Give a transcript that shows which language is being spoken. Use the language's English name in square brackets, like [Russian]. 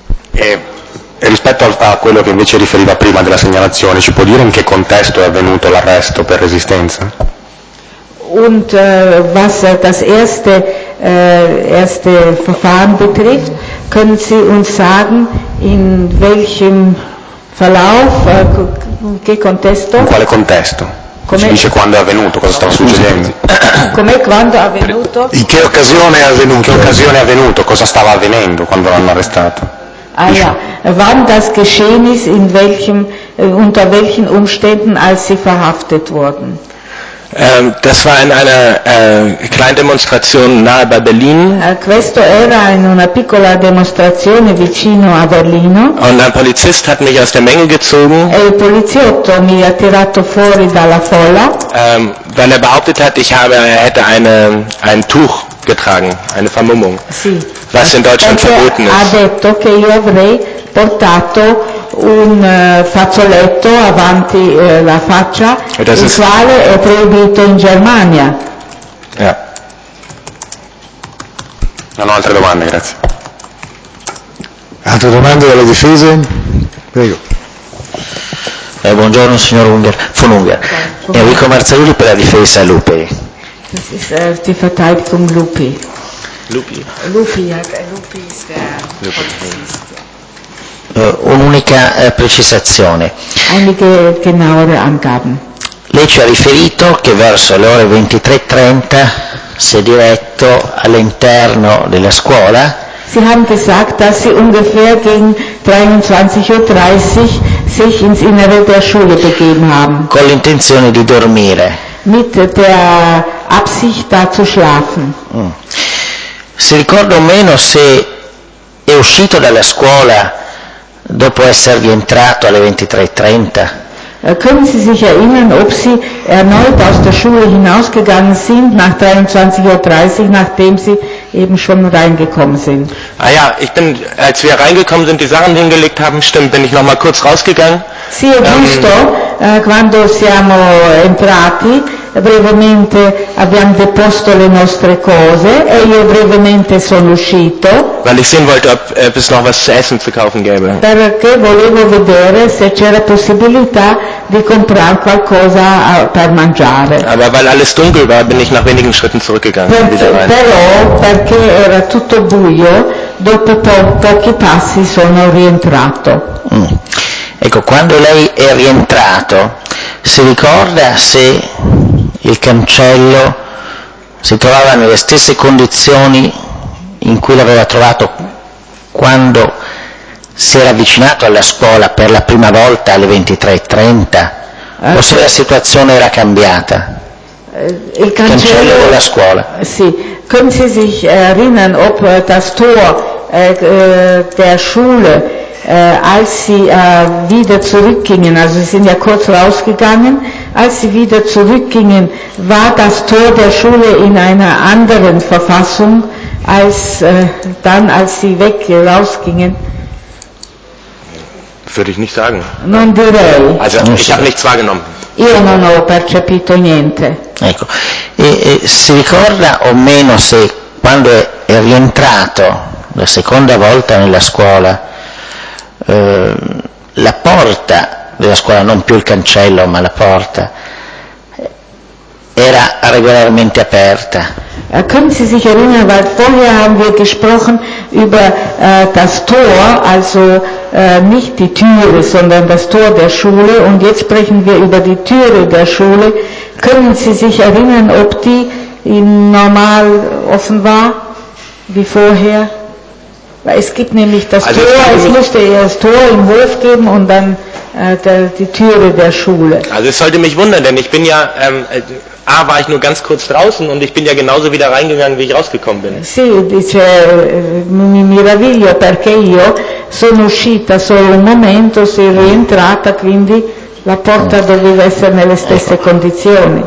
[Italian] E rispetto a quello che invece riferiva prima della segnalazione, ci può dire in che contesto è avvenuto l'arresto per resistenza? [German] Und was das erste erste Verfahren betrifft, können Sie uns sagen, in welchem Verlauf, [Italian] in che contesto? In quale contesto? Come ci dice quando è avvenuto, cosa stava succedendo? Com'è, quando è avvenuto? In che occasione è avvenuto? In che occasione è avvenuto? Cosa stava avvenendo quando l'hanno arrestato? [German] Ah, ja. Wann das geschehen ist, in welchem, unter welchen Umständen, als Sie verhaftet wurden? Das war in einer Kleindemonstration nahe bei Berlin. [Italian] Questo era in una piccola demonstrazione vicino a Berlino. [German] Und ein Polizist hat mich aus der Menge gezogen. [Italian] E il poliziotto mi ha tirato fuori dalla folla. [German] Weil er behauptet hat, er hätte ein Tuch getragen, eine Vermummung. [Italian] Sì. [German] Was in Deutschland [Italian] perché [German] verboten ist. [Italian] Ha detto che io avrei portato un fazzoletto avanti la faccia, il quale è proibito in Germania. Yeah. Non ho altre domande, grazie. Altre domande dalle difese? Prego. Buongiorno signor Unger, von Unger. Enrico Marzaluli per la difesa, Lupi. Ti fatai con Lupi. Lupi. Lupi, Lupi sta. Lupi. Un'unica precisazione. Lei ci ha riferito che verso le ore 23:30 si è diretto all'interno della scuola. [German] Sie haben gesagt, dass sie ungefähr gegen 23:30 sich ins Innere der Schule begeben haben. [Italian] Con l'intenzione di dormire. [German] Mit der Absicht da zu schlafen. [Italian] Si ricorda o meno se è uscito dalla scuola dopo esservi entrato alle 23:30. [German] Können Sie sich erinnern, ob Sie erneut aus der Schule hinausgegangen sind nach 23:30, nachdem Sie eben schon reingekommen sind? Ah ja, ich bin, als wir reingekommen sind, die Sachen hingelegt haben, stimmt, bin ich noch mal kurz rausgegangen. [Italian] Sì, ho visto quando siamo entrati, brevemente abbiamo deposto le nostre cose e io brevemente sono uscito. [German] Weil ich sehen wollte, ob es noch was zu essen zu kaufen gäbe. [Italian] Perché volevo vedere se c'era possibilità di comprare qualcosa per mangiare. [German] Aber weil alles dunkel war, bin ich nach wenigen Schritten zurückgegangen. [Italian] Però perché era tutto buio, dopo pochi passi sono rientrato. Ecco, quando lei è rientrato, si ricorda se il cancello si trovava nelle stesse condizioni in cui l'aveva trovato quando si era avvicinato alla scuola per la prima volta alle 23:30, o se la situazione era cambiata? Il cancello della scuola. Sì, come si [German] sich erinnern, ob das Tor der Schule, als sie wieder zurückgingen, also sie sind ja kurz rausgegangen, als sie wieder zurückgingen, war das Tor der Schule in einer anderen Verfassung als dann als sie weg rausgingen? Würde ich nicht sagen. [Italian] Non direi. [German] Also ich habe nichts wahrgenommen. [Italian] Io non ho percepito niente. Ecco. E si ricorda o meno se quando è rientrato la seconda volta nella scuola, la porta della scuola, non più il cancello, ma la porta, era regolarmente aperta? [German] Können Sie sich erinnern, weil vorher haben wir gesprochen über das Tor, also nicht die Türe, sondern das Tor der Schule, und jetzt sprechen wir über die Türe der Schule. Können Sie sich erinnern, ob die normal offen war, wie vorher? Es gibt nämlich das also Tor, es müsste das Tor im Hof geben und dann die Türe der Schule. Also es sollte mich wundern, denn ich bin ja, war ich nur ganz kurz draußen und ich bin ja genauso wieder reingegangen, wie ich rausgekommen bin. [Italian] Sì, dice, mi meraviglio perché io sono uscita solo un momento, sei rientrata, quindi la porta doveva essere nelle stesse condizioni.